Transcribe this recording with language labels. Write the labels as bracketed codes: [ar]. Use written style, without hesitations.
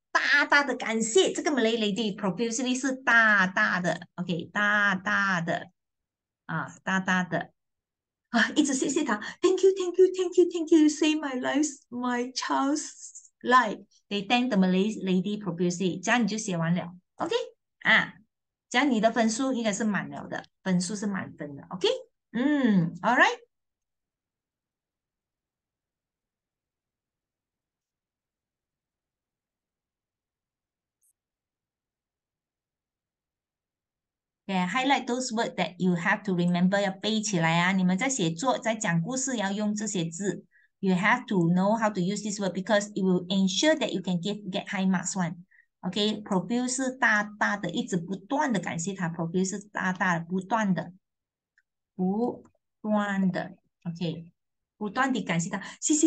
[zh] 大大的感谢这个 [en] Malay lady profusely [zh] 是大大的 okay 大大的啊大大的啊一直谢谢他 [en] thank you you save my life my child's life they thank the Malay lady profusely [zh] 这样你就写完了 okay 这样你的分数应该是满了的分数是满分的 okay [en] all right. Yeah, highlight those words that you have to remember. [zh] 要背起来啊！你们在写作、在讲故事要用这些字. [en] You have to know how to use this word because it will ensure that you can get high marks one. [zh] Okay, profuse 是大大的，一直不断的感谢他。 Profuse 是大大的，不断的。Okay, 不断的感谢他。谢谢。